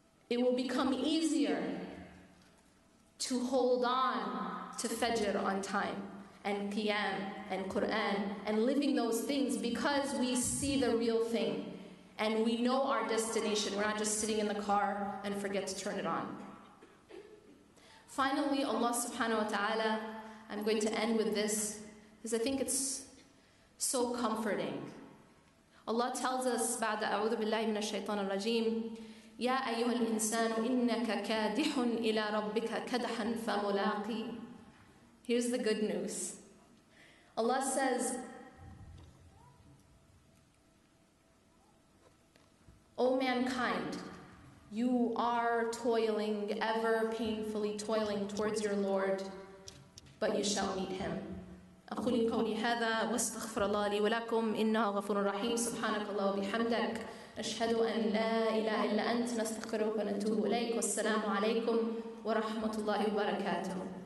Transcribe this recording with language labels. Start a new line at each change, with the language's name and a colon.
English: It will become easier to hold on to fajr on time and qiyam and Quran and living those things because we see the real thing and we know our destination. We're not just sitting in the car and forget to turn it on. Finally, Allah subhanahu wa ta'ala, I'm going to end with this because I think it's so comforting. Allah tells us,
Arabic: بعد أعوذ بالله من الشيطان الرجيم يا أيها الإنسان إنك كادح إلى ربك كدحا فملاقي.
English: Here's the good news. Allah says, O mankind, you are toiling, ever painfully toiling towards your Lord, but you shall meet Him.
Arabic: أقولي قولي هذا واستغفر الله لي ولكم إنه غفور رحيم سبحانك الله وبحمدك أشهد أن لا إله إلا أنت نستغفرك ونتوب إليك والسلام عليكم ورحمة الله وبركاته.